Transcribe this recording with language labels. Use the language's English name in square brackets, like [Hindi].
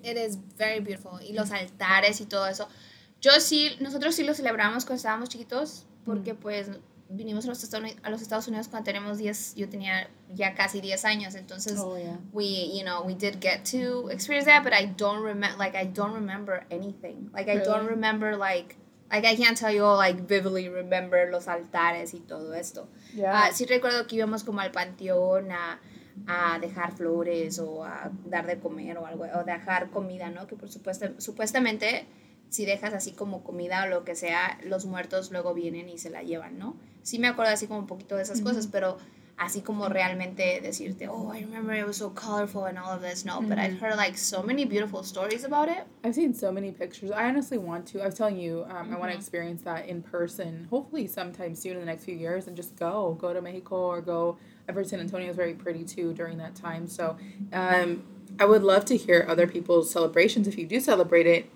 [English] It is very beautiful. [Spanish] Y los altares y todo eso. Nosotros sí lo celebramos cuando estábamos chiquitos, porque pues vinimos a los Estados Unidos cuando teníamos 10, yo tenía ya casi 10 años, entonces, [English] we did get to experience that, but I don't remember anything, really? I don't remember, like, I can't tell you all, like, vividly remember [Spanish] los altares y todo esto. [English] Yeah. [Spanish] Sí recuerdo que íbamos como al panteón a dejar flores o a dar de comer o algo, o dejar comida, ¿no? Que por supuestamente, si dejas así como comida o lo que sea, los muertos luego vienen y se la llevan, ¿no? Sí me acuerdo así como un poquito de esas cosas, pero así como realmente decirte, [English] oh, I remember it was so colorful and all of this. No, mm-hmm. but I've heard, like, so many beautiful stories about it. I've seen so many pictures. I honestly want to. I was telling you, mm-hmm. I want to experience that in person, hopefully sometime soon in the next few years, and just go to Mexico or go. I've heard San Antonio is very pretty, too, during that time. So I would love to hear other people's celebrations if you do celebrate it.